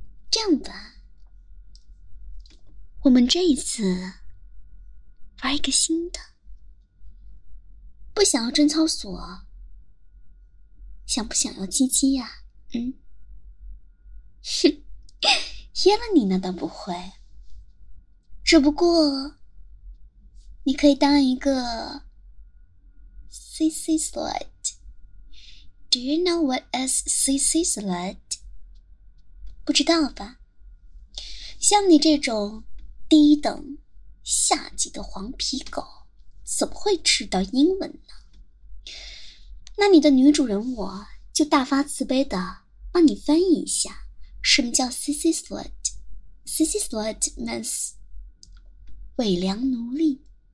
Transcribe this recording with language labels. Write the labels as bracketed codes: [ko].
[zh] 这样吧，我们这一次玩一个新的，不想要贞操锁，想不想要鸡鸡呀？嗯，哼，噎了你呢，倒不会，只不过你可以当一个 CC slut。 [en] Do you know what is CC slut？ [zh] 不知道吧？像你这种低等下级的黄皮狗，怎么会吃到英文呢？那你的女主人我就大发慈悲的帮你翻译一下，什么叫 sissy slut？ [en] sissy slut means [zh] 伪娘奴隶。